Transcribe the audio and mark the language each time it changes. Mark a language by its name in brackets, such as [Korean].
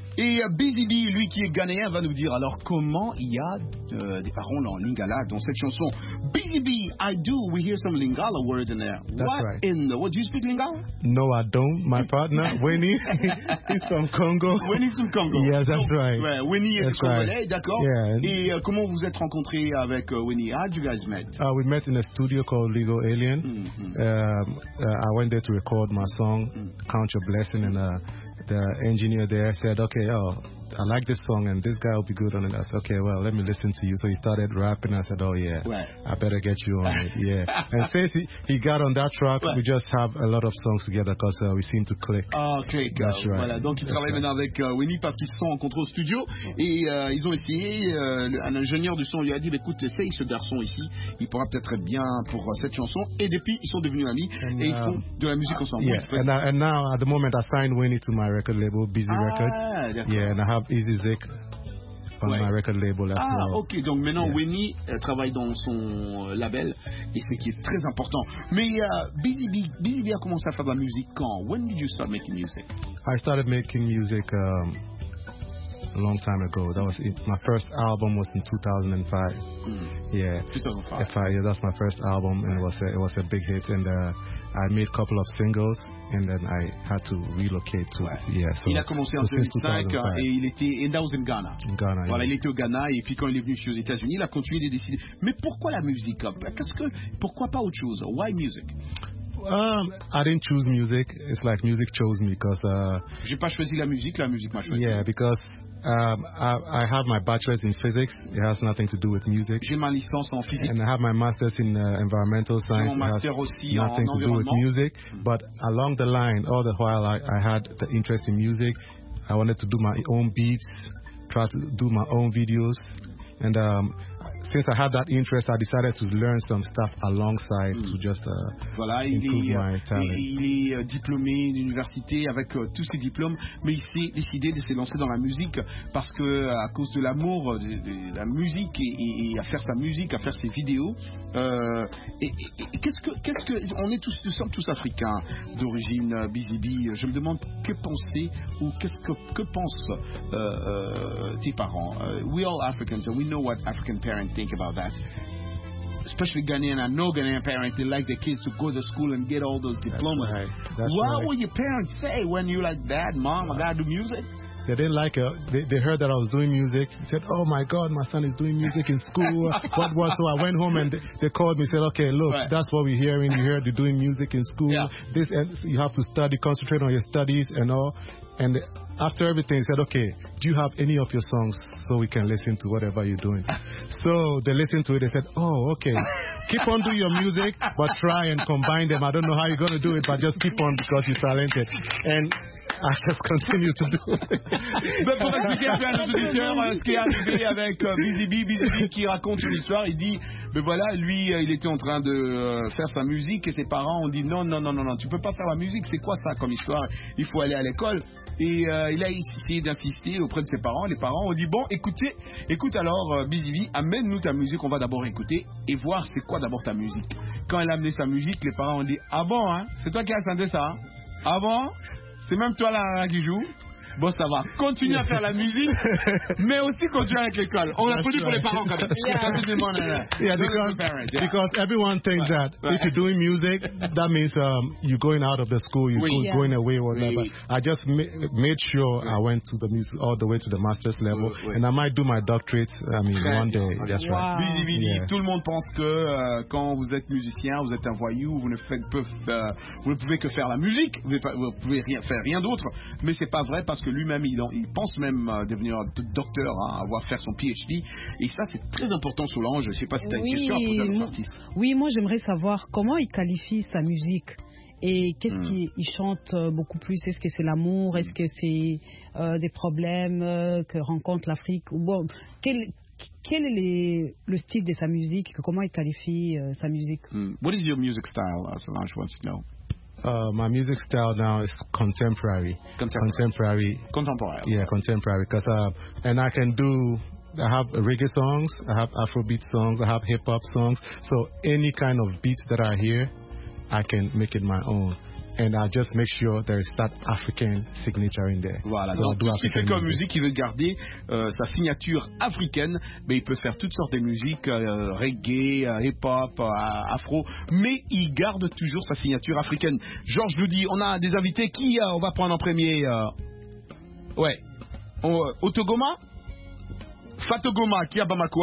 [French] Et Bizibi, lui qui est ghanéen, va nous dire alors comment il y a des paroles en lingala dans cette chanson. [English] Bizibi, I do, we hear some lingala words in there. That's what right. In the, what, do you speak lingala? No, I don't. My partner, Winnie, he's from Congo. Winnie's from Congo. Yeah, that's right. [French] Ouais, Winnie [English] that's [French] est congolais, [English] right. [French] D'accord. [English] Yeah. [French] Et comment vous êtes rencontré avec Winnie? [English] How did you guys meet? We met in a studio called Legal Alien. Mm-hmm. I went there to record my song, mm-hmm. Count Your Blessing, and the engineer there said, okay, oh, I like this song and this guy will be good on it. I said, okay, well, let me listen to you. So he started rapping. I said, oh, yeah, right. I better get you on it. Yeah. And since he got on that track, right. We just have a lot of songs together because we seem to click. Oh, okay. That's right. [French] Voilà. Donc, ils travaillent maintenant avec Winnie parce qu'ils sont en contrôle studio. Et ils ont essayé, un ingénieur du son lui a dit, écoute, essaye ce garçon ici. Il pourra peut-être être bien pour cette chanson. Et depuis, ils sont devenus amis et ils font de la musique ensemble. [English] Yeah. Ouais, and now, at the moment, I signed Winnie to my record label, Busy Record. [French] D'accord. [English] Yeah, and I have Easy Zick on my record label as well. [French] Ah, ok, donc maintenant Winnie travaille dans son label et c'est qui est très important. Mais Busy a commencé à faire de la musique quand? [English] When did you start making music? I started making music a long time ago. That was it. My first album was in 2005. Mm. Yeah. 2005. Yeah, that's my first album and it was a big hit and I made a couple of singles and then I had to relocate to so [French] il a commencé en 2005 et il était [English] and that was in Ghana. In Ghana. [French] Voilà, [English] yeah. [French] Il était au Ghana et puis quand il est venu aux États-Unis, il a continué de décider. Mais pourquoi la musique? Pourquoi pas autre chose? [English] Why music? I didn't choose music. It's like music chose me because [French] j'ai pas choisi la musique m'a choisi. [English] Yeah, because I have my bachelor's in physics. It has nothing to do with music. [French] J'ai ma licence en physique. [English] And I have my master's in environmental science. [French] Mon master aussi en environnement. [English] Nothing to do with music. But along the line, all the while, I had the interest in music. I wanted to do my own beats, try to do my own videos. And since I had that interest, I decided to learn some stuff alongside to just improve my talent. [French] Il est diplômé d'université avec tous ses diplômes, mais il s'est décidé de se lancer dans la musique parce que à cause de l'amour de la musique et à faire sa musique, à faire ses vidéos. On est tous, nous sommes tous africains d'origine Bizibi. Je me demande que penser ou que pensent tes parents. [English] We all Africans, and we know what African parents think about that. Especially Ghanaian, I know Ghanaian parents, they like their kids to go to school and get all those diplomas. That's right. Would your parents say when you're like, Dad, Mom, I gotta do music? They didn't like it. They heard that I was doing music. They said, oh my God, my son is doing music in school. What? So I went home and they called me and said, okay, look, right. That's what we're hearing. You heard you're doing music in school. Yeah. This, and you have to study, concentrate on your studies and all. And after everything, they said, okay, do you have any of your songs so we can listen to whatever you're doing? So they listened to it. They said, oh, okay. Keep on doing your music, but try and combine them. I don't know how you're going to do it, but just keep on because you're talented. And I just continue to do it. [French] Donc, pour expliquer à nos auditeurs ce qui est arrivé avec Bizibi qui raconte une histoire, il dit, mais voilà, lui, il était en train de faire sa musique et ses parents ont dit, non, tu peux pas faire la musique, c'est quoi ça comme histoire? Il faut aller à l'école. Et il a essayé d'insister auprès de ses parents. Les parents ont dit, bon, écoute alors, Bizibi, amène-nous ta musique, on va d'abord écouter et voir c'est quoi d'abord ta musique. Quand il a amené sa musique, les parents ont dit, ah bon, hein, c'est toi qui as chanté ça, hein? Ah bon? C'est même toi là qui joue. Bon, ça va. Continue à faire la musique, mais aussi continue avec l'école. On l'a produit pour les parents quand même. [English] Because everyone thinks that if you're doing music, that means you're going out of the school, going away or whatever. I just made sure I went to the music all the way to the master's level, and I might do my doctorate. I mean, one day. That's right. [French] Bizibi, tout le monde pense que quand vous êtes musicien, vous êtes un voyou, vous ne pouvez que faire la musique, vous ne pouvez rien faire, rien d'autre. Mais c'est pas vrai. Parce que lui-même, il pense même devenir docteur, hein, avoir fait son PhD. Et ça, c'est très important, Solange. Je ne sais pas si tu as une question à poser à l'artiste. Oui, moi, j'aimerais savoir comment il qualifie sa musique et qu'est-ce qu'il chante beaucoup plus. Est-ce que c'est l'amour? Est-ce que c'est des problèmes que rencontre l'Afrique? Bon, quel est le style de sa musique? Comment il qualifie sa musique? [English] What is your music style, Solange wants to know? My music style now is contemporary. Contemporary. Contemporary. Yeah, contemporary. Cause and I can do. I have reggae songs. I have Afrobeat songs. I have hip hop songs. So any kind of beat that I hear, I can make it my own. And I just make sure there is that African signature in there. [French] Voilà, so donc tout ce qui fait comme musique, il veut garder sa signature africaine, mais il peut faire toutes sortes de musiques, reggae, hip-hop, afro, mais il garde toujours sa signature africaine. Georges nous dit, on a des invités, qui on va prendre en premier Ouais, Otogoma Fatogoma, qui à Bamako.